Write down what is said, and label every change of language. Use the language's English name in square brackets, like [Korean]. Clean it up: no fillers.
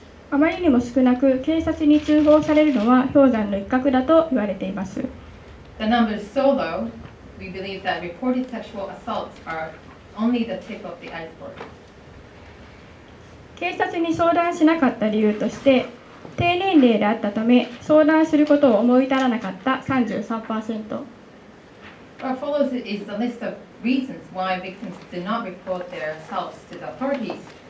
[Japanese] あまりにも少なく、警察に通報されるのは氷山の一角だと言われています。 [English] The number is so low, we believe that reported sexual assaults are only the tip of the iceberg. [Japanese] 警察に相談しなかった理由として、低年齢であったため、相談することを思い至らなかった 33%。 [English] What follows is the list of reasons why victims did not report their assaults to the authorities.